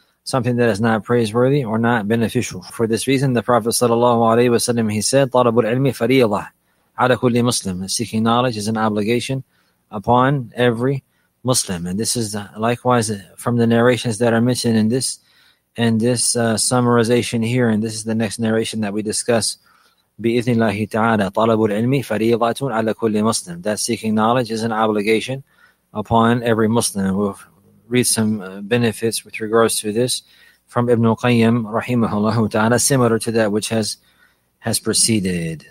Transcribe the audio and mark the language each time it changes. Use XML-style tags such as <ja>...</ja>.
<en>Something that is not praiseworthy or not beneficial. For this reason, the Prophet sallallahu alaihi wasallam, he said,</en> <ar>طلب العلم فريضة على كل مسلم.</ar> <en>Seeking knowledge is an obligation upon every Muslim. And this is likewise from the narrations that are mentioned in this summarization here. And this is the next narration that we discuss.</en> <ar>بإذن الله تعالى طلب العلم فريضة على كل مسلم.</ar> <en>That seeking knowledge is an obligation upon every Muslim. Read some benefits with regards to this from Ibn Qayyim rahimahullah ta'ala, similar to that which has preceded.</en>